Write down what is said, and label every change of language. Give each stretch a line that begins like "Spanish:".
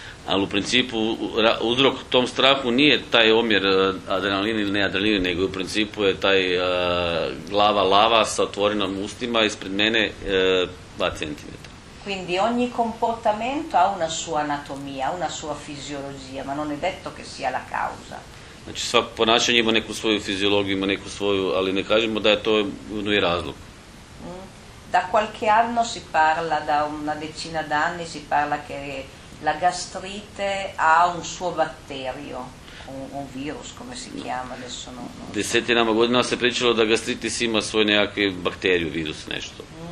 Croatian: Ali u principu, uzrok tom strahu nije taj omjer adrenalina ili neadrenalina, nego u principu je taj glava lava sa otvorenom ustima ispred mene 2 centimetra.
Italian: Quindi ogni comportamento ha una sua anatomia, una sua fisiologia, ma non è detto che sia la causa.
Croatian: Znači svako ponašanje ima neku svoju fiziologiju, ima neku svoju, ali ne kažemo da je to jedan razlog.
Italian: Da qualche anno si parla, da una decina d'anni si parla che la gastrite ha un suo batterio, un virus, come si chiama adesso. No, no.
Croatian: Desetinama godina se pričalo da gastritis ima svoj nekakvi bakteriju, virus, nešto.